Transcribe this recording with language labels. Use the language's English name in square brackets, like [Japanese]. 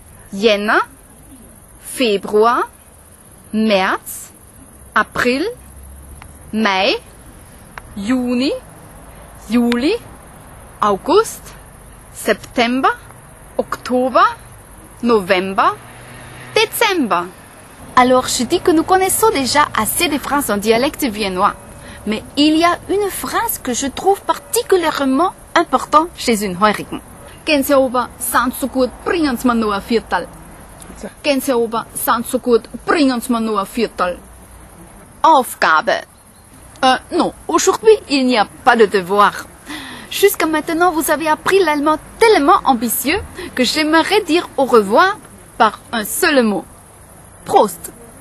[German] Jänner, Februar, März, April, Mai, Juni, Juli, August, September, Oktober, November, Dezember. [French] Alors, je dis que nous connaissons déjà assez de phrases en dialecte viennois. Mais il y a une phrase que je trouve particulièrement important chez une heurigen. [German] Gänseober, sind so gut, bring uns mal nur ein Viertel. Gänseober, sind so gut, bring uns mal nur ein Viertel. Aufgabe. [French] Non, aujourd'hui, il n'y a pas de devoir. Jusqu'à maintenant, vous avez appris l'allemand tellement ambitieux que j'aimerais dire au revoir par un seul mot. Prost!